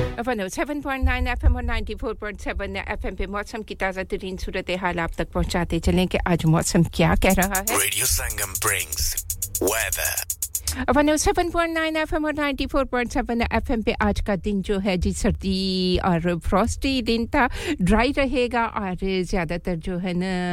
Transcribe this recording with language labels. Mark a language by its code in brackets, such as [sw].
[ur] 107.9 FM اور 94.7 FM پہ موسم کی تازہ ترین صورتحال آپ تک پہنچاتے چلیں کہ آج موسم کیا کہہ رہا ہے [en] Radio Sangam brings weather [ur] 107.9 FM اور 94.7 FM پہ آج کا دن جو ہے جی سردی اور فروسٹی دن تھا ڈرائی رہے گا اور زیادہ تر جو ہے نا